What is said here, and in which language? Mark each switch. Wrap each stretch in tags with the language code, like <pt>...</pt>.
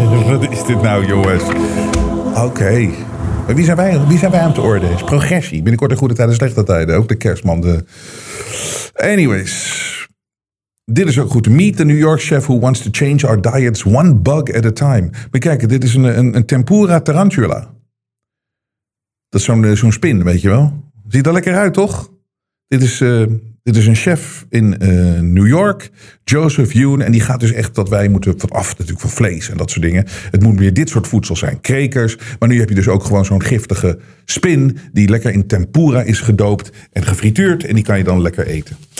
<nl>Wat is dit nou, jongens? Oké. Maar wie zijn wij aan het oordelen? Progressie. Binnenkort in goede tijden, slechte tijden. Ook de kerstman. Anyways. Dit is ook goed.</nl> <en>Meet the New York chef who wants to change our diets one bug at a time.</en> <nl>Maar kijk, dit is een tempura tarantula. Dat is zo'n spin, weet je wel. Ziet er lekker uit, toch? Dit is een chef in New York, Joseph Yoon. En die gaat dus echt dat wij moeten van af, natuurlijk van vlees en dat soort dingen. Het moet meer dit soort voedsel zijn, krekers. Maar nu heb je dus ook gewoon zo'n giftige spin die lekker in tempura is gedoopt en gefrituurd. En die kan je dan lekker eten.</nl>